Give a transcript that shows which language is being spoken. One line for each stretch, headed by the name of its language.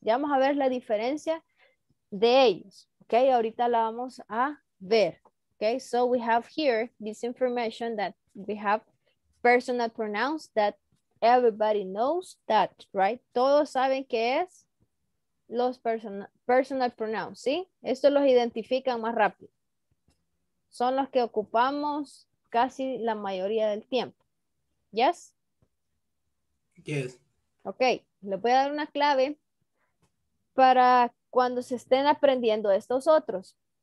Spanish: Ya vamos a ver la diferencia de ellos, ok? Ahorita la vamos a ver, ok?
English: So we have here this information that we have personal pronouns that everybody knows that, right?
Spanish: Todos saben qué es los personal pronouns, ¿sí? Esto los identifican más rápido. Son los que ocupamos casi la mayoría del tiempo.
English: ¿Yes? Yes.
Spanish: Ok, les voy a dar una clave para cuando se estén aprendiendo estos otros.